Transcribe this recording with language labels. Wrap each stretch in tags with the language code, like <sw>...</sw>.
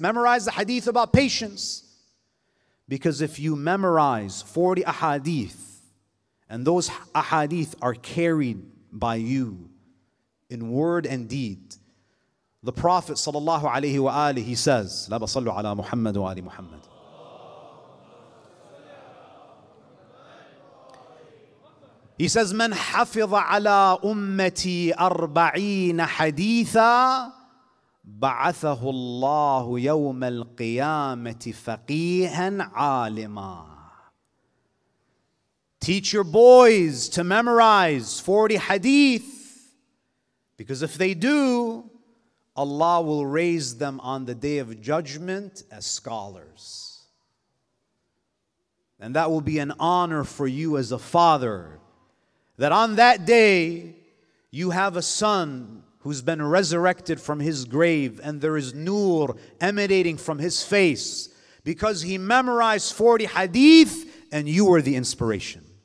<en>Memorize a hadith about patience. Because if you memorize 40 ahadith, and those ahadith are carried by you in word and deed, the Prophet sallallahu alayhi wa alihi, he says,</en> <ar>لا بصلوا على محمد وآل محمد.</ar> <en>He says,</en> <ar>من حفظ على أمتي أربعين حديثا بعثه الله يوم القيامة فقيها عالما.</ar> <en>Teach your boys to memorize 40 hadith, because if they do, Allah will raise them on the day of judgment as scholars. And that will be an honor for you as a father, that on that day you have a son who's been resurrected from his grave and there is nur emanating from his face because he memorized 40 hadith and you were the inspiration.</en>